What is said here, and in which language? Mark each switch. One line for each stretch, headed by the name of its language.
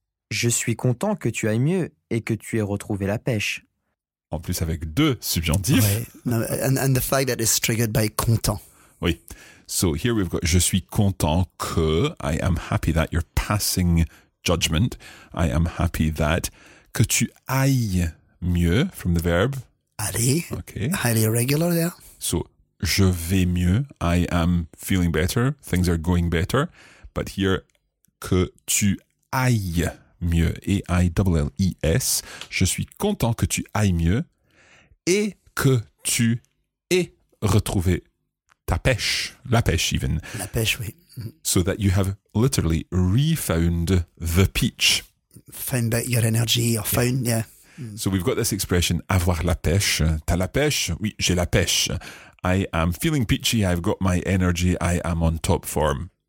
French: Je suis content que tu ailles mieux et que tu aies retrouvé la pêche. En plus, avec deux subjonctifs.
English: And the fact that it's triggered by content. Oui. So, here we've got,
French: je suis content que,
English: I am happy that, you're passing judgment. I am happy that,
French: que tu ailles mieux,
English: from the verb.
French: Allez,
English: okay. Highly irregular there. So,
French: je vais mieux,
English: I am feeling better, things are going better. But here,
French: que tu ailles mieux,
English: A-I-L-L-E-S.
French: Je suis content que tu ailles mieux et que tu aies retrouvé ta pêche, la pêche even. La pêche, oui.
English: So that you have literally refound the peach. Found back your energy or found, yeah. So we've got this expression,
French: avoir la pêche. T'as la pêche? Oui, j'ai la pêche.
English: I am feeling peachy. I've got my energy. I am on top form.